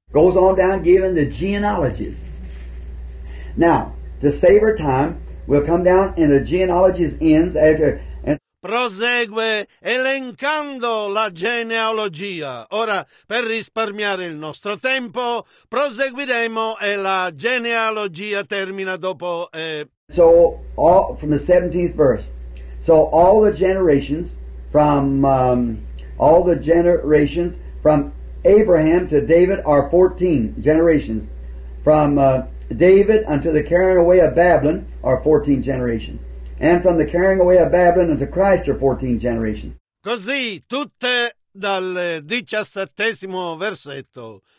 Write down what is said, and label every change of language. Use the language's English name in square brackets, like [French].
[English] Goes on down giving the genealogies. Now, to save our time, we'll come down and the genealogies ends after... [Italian] Prosegue elencando la genealogia. Ora, per risparmiare il nostro tempo, proseguiremo e la genealogia termina dopo... [English] So, all from the 17th verse. So, all the generations from All the generations from Abraham to David are 14 generations. From David unto the carrying away of Babylon are 14 generations. And from the carrying away of Babylon unto Christ are 14 generations. [Italian] Così tutte dal 17° versetto.